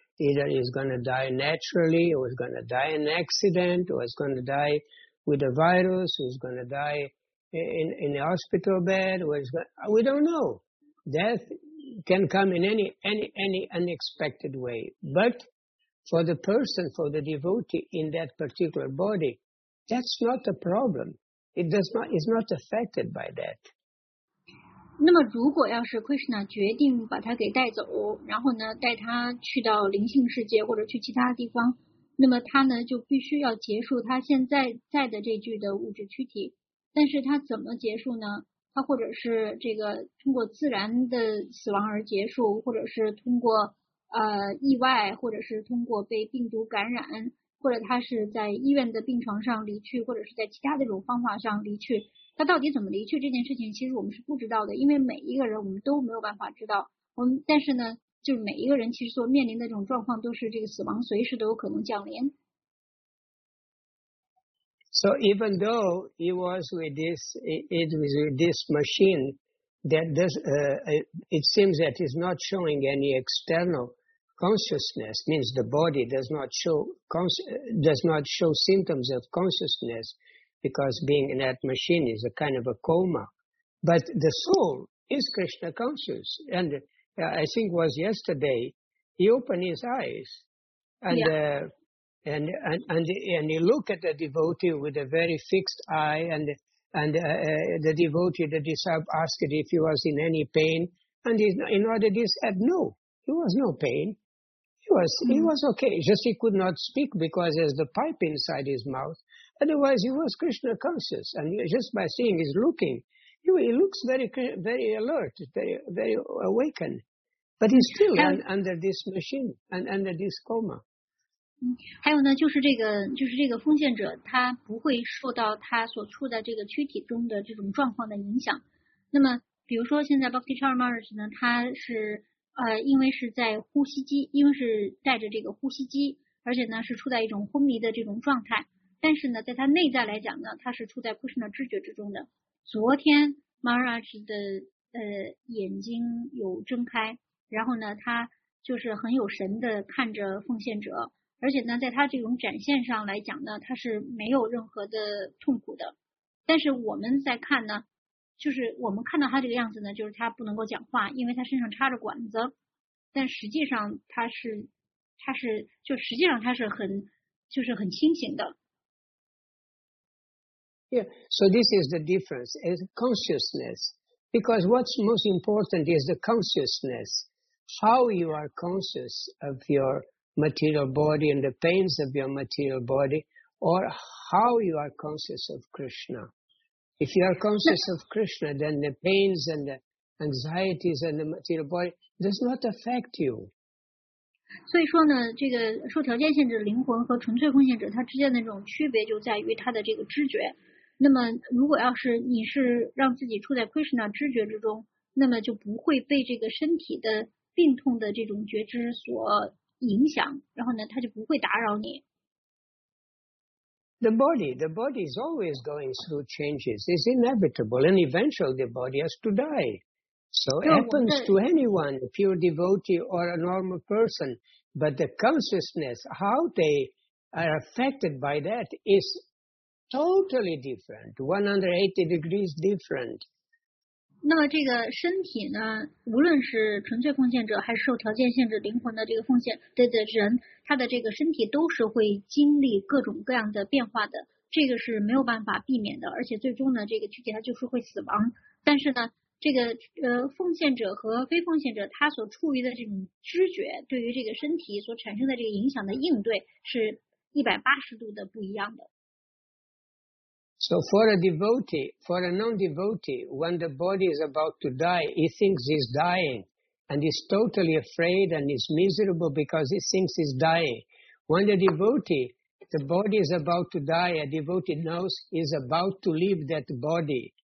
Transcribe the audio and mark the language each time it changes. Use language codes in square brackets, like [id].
[en] Either he's going to die naturally, or he's going to die in an accident, or he's going to die with a virus, or he's going to die in a hospital bed, or he's going, we don't know. Death can come in any unexpected way. But for the person, for the devotee in that particular body, That's not the problem. It does not, is not affected by that. [zh] 那么如果要是 Krishna 决定把他给带走，然后呢带他去到灵性世界或者去其他地方，那么他呢就必须要结束他现在在的这具的物质躯体。但是他怎么结束呢？他或者是这个通过自然的死亡而结束，或者是通过意外，或者是通过被病毒感染，或者他是在医院的病床上离去，或者是在其他的这种方法上离去。他到底怎么离去这件事情其实我们是不知道的，因为每一个人我们都没有办法知道。我们但是呢就是每一个人其实所面临的这种状况都是这个死亡随时都有可能降临。 [en] So even though he was with this, it was with this machine that does, it seems that he's not showing any external consciousness, means the body does not show symptoms of consciousness because being in that machine is a kind of a coma. But the soul is Krishna conscious. And I think it was yesterday, he opened his eyes and, And he looked at the devotee with a very fixed eye, the devotee, the disciple, asked if he was in any pain, and in order he said no, he was no pain, he was okay. Just he could not speak because there's the pipe inside his mouth. Otherwise, he was Krishna conscious, and just by seeing, he's looking, he looks very alert, very awakened, but he's still under this machine and under this coma. [zh] 还有呢就是这个奉献者他不会受到他所处在这个躯体中的这种状况的影响。那么比如说现在 Bhakti Chara Maharaj 呢他是因为是在呼吸机，因为是带着这个呼吸机，而且呢是处在一种昏迷的这种状态。但是呢在他内在来讲呢他是处在 Krishna 知觉之中的。昨天 Maharaj 的眼睛有睁开，然后呢他就是很有神的看着奉献者。而且呢在他这种展现上来讲呢他是没有任何的痛苦的。但是我们在看呢就是我们看到他这个样子呢就是他不能够讲话，因为他身上插着管子。但实际上他是很就是很清醒的。 [en] Yeah, so this is the difference is consciousness. Because what's most important is the consciousness. How you are conscious of your material body and the pains of your material body, or how you are conscious of Krishna. If you are conscious of Krishna, then the pains and the anxieties and the material body does not affect you. [zh] 所以说呢，这个受条件限制的灵魂和纯粹奉献者，它之间的这种区别就在于它的这个知觉。那么，如果要是你是让自己处在 Krishna 知觉之中，那么就不会被这个身体的病痛的这种觉知所影响，然后呢，他就不会打扰你。 [en] The body is always going through changes. It's inevitable, and eventually the body has to die. So it happens to anyone, a pure devotee or a normal person. But the consciousness, how they are affected by that, is totally different, 180 degrees different. [zh] 那么这个身体呢，无论是纯粹奉献者还是受条件限制灵魂的这个奉献的人，他的这个身体都是会经历各种各样的变化的，这个是没有办法避免的，而且最终呢，这个躯体他就是会死亡。但是呢，这个奉献者和非奉献者他所处于的这种知觉，对于这个身体所产生的这个影响的应对是180度的不一样的。 [en] So for a devotee, for a non-devotee, when the body is about to die, he thinks he's dying and he's totally afraid and he's miserable because he thinks he's dying. When the devotee, the body is about to die, a devotee knows he's about to leave that body.